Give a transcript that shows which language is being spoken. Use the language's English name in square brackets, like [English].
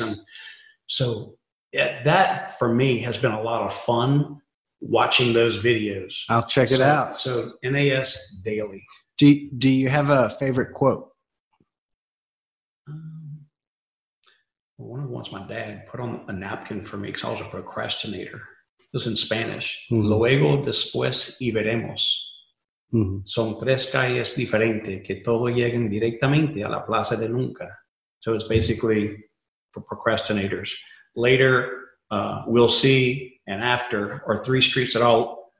[English] And so that for me has been a lot of fun watching those videos. I'll check it out. So NAS Daily. Do you have a favorite quote? One of the ones my dad put on a napkin for me because I was a procrastinator. It was in Spanish. Mm-hmm. [Spanish] Luego, después y veremos. Mm-hmm. Son tres calles diferentes que todo lleguen directamente a la plaza de nunca. [English] So it's basically for procrastinators. Later, we'll see, and after are three streets that all